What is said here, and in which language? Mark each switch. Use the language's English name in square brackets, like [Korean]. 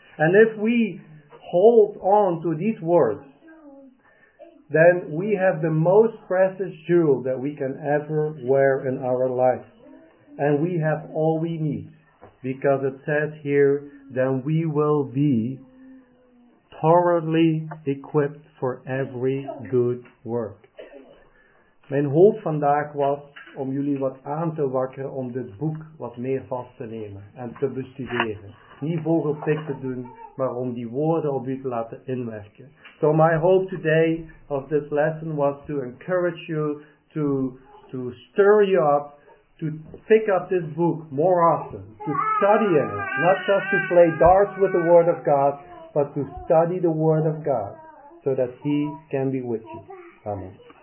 [English] And if we hold on to these words, then we have the most precious jewel that we can ever wear in our life. And we have all we need. Because it says here, then we will be thoroughly equipped for every good work. [Dutch] Mijn hoop vandaag was om jullie wat aan te wakkeren om dit boek wat meer vast te nemen en te bestuderen. Niet vogelpik te doen, maar om die woorden op u te laten inwerken. [English] So my hope today of this lesson was to encourage you, to stir you up, to pick up this book more often, to study in it, not just to play darts with the Word of God, but to study the Word of God, so that he can be with you. Amen.